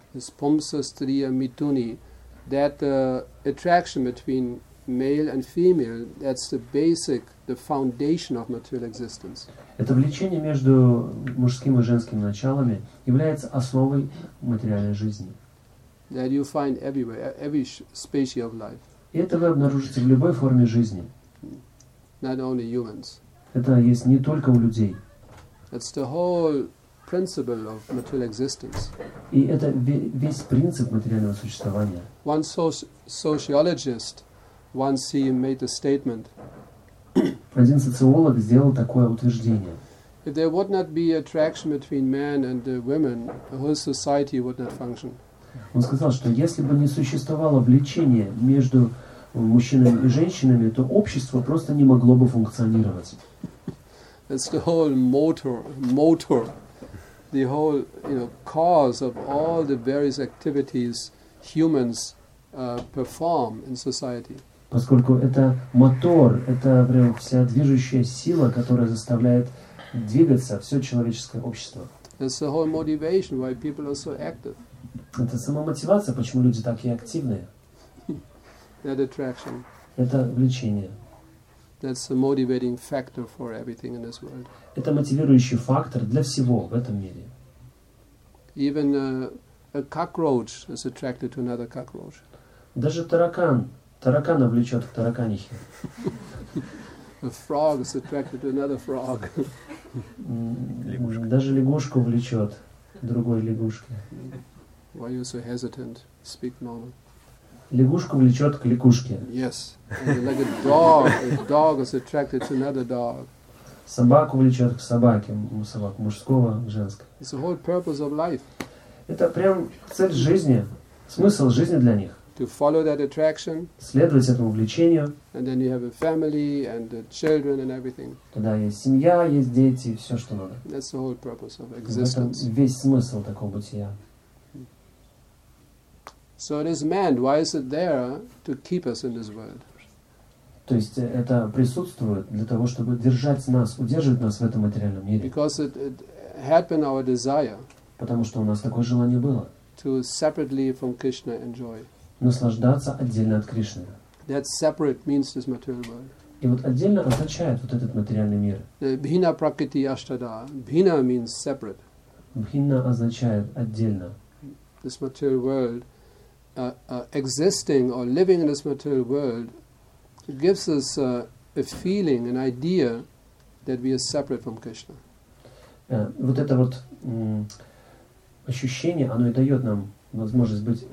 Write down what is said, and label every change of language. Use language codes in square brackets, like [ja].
[en] It's pamsastriyam mittuni, that attraction between male and female, that's the basic, the foundation of material existence. [ru] Это влечение между мужским и женским началами является основой материальной жизни. [en] That you find everywhere, every species of life. [ru] И это вы обнаружите в любой форме жизни. [en] Not only humans. [ru] Это есть не только у людей. [en] It's the whole principle of material existence. [ru] И это весь принцип материального существования. [en] One sociologist once he made a statement. [ru] Один социолог сделал такое утверждение. [en] If there would not be attraction between men and women, the whole society would not function. [ru] Он сказал, что если бы не существовало влечение между мужчинами и женщинами, то общество просто не могло бы функционировать. [en] It's the whole motor, the whole, you know, cause of all the various activities humans perform in society. [ru] Поскольку это мотор, это прям вся движущая сила, которая заставляет двигаться все человеческое общество. [en] It's the whole motivation why people are so active. [ru] Это сама мотивация, почему люди такие активные. [en] That attraction. [ru] Это влечение. [en] That's the motivating factor for everything in this world. [ru] Это мотивирующий фактор для всего в этом мире. [en] Even a cockroach is attracted to another cockroach. [ru] Даже таракан, таракана влечет к тараканихе. [en] A frog is attracted to another frog. [ru] Даже лягушку влечет другой лягушке. [en] Why are you so hesitant? Speak normal. [ru] Лягушку влечет к лягушке. [en] Yes. Like a dog is attracted to another dog. [ru] Собаку влечет к собаке, у собак мужского, к женской. [en] It's the whole purpose of life. [ru] Это прям цель жизни, смысл жизни для них. [en] To follow that attraction. [ru] Следовать этому влечению. [en] And then you have a family and the children and everything. [ru] Тогда есть семья, есть дети, все, что надо. [en] That's the whole purpose of existence. [ru] Это весь смысл такого бытия. [en] So it is meant. Why is it there to keep us in this world? [ru] То есть это присутствует для того, чтобы держать нас, удерживать нас в этом материальном мире. [en] Because it had been our desire. [ru] Потому что у нас такое желание было. [en] To separately from Krishna enjoy. [ru] Наслаждаться отдельно от Кришны. [en] That separate means this material world. [ru] И вот отдельно означает вот этот материальный мир. [en] Bhina prakriti ashtada. Bhina means separate. [ru] Bhina означает отдельно. [en] This material world. Existing or living in this material world gives us a feeling, an idea that we are separate from Krishna. [ru] Вот это вот ощущение, оно и дает нам возможность быть.